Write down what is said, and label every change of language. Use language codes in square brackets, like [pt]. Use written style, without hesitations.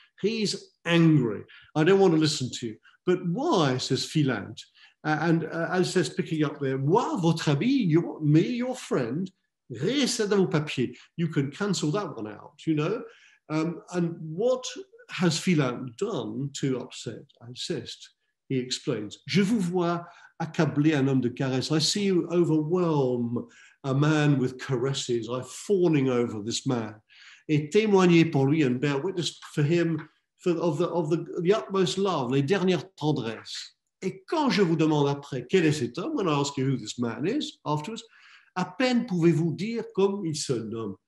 [en] He's angry. I don't want to listen to you. But why, says Philant. And Alceste picking up there, [fr] moi, votre ami, [en] your friend, [fr] reste dans vos papiers. [en] You can cancel that one out, you know. And what has Philant done to upset Alceste? He explains, [fr] je vous vois accabler un homme de caresse. [en] I see you overwhelm a man with caresses. I'm fawning over this man. [fr] Et témoigner pour lui [en] and bear witness for him of the utmost love, [fr] les dernières tendresses. Et quand je vous demande après, quel est cet homme? [en] When I ask you who this man is afterwards, [fr] à peine pouvez-vous dire comme il se nomme.